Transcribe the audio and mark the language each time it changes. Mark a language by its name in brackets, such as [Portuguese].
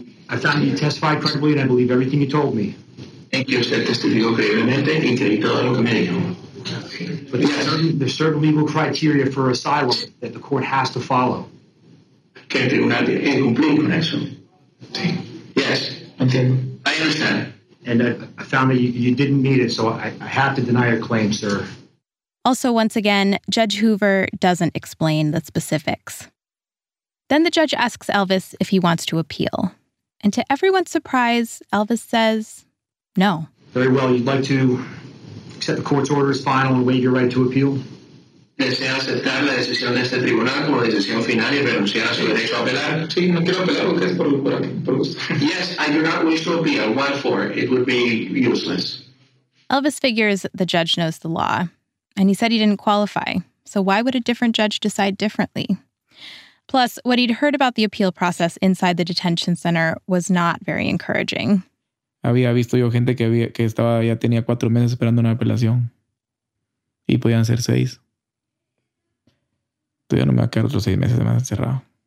[English] I found you testified credibly, and I believe everything you told me. Thank you, [Spanish] usted testificó creíblemente y creí todo lo que me dijo. [English] But yes. There's certain legal criteria for asylum that the court has to follow. [Spanish] Que el tribunal tiene que cumplir con eso. [English] Yes. [Spanish] Entiendo. [English] I understand. And I found that you didn't meet it, so I have to deny your claim, sir. Also, once again, Judge Hoover doesn't explain the specifics. Then the judge asks Elvis if he wants to appeal. And to everyone's surprise, Elvis says, no. Very well. You'd like to accept the court's order as final and waive your right to appeal? [Spanish] ¿Desea aceptar la decisión de este tribunal como decisión final y renunciar a su derecho a apelar? Sí, no quiero apelar porque es por gusto. [English] Yes, I do not wish to appeal. What for? It would be useless. Elvis figures the judge knows the law, and he said he didn't qualify. So why would a different judge decide differently? Plus, what he'd heard about the appeal process inside the detention center was not very encouraging. [Spanish] Había visto yo gente que estaba ya tenía 4 meses esperando una apelación y podían ser 6. Todavía no me va a quedar otros 6 meses más encerrado.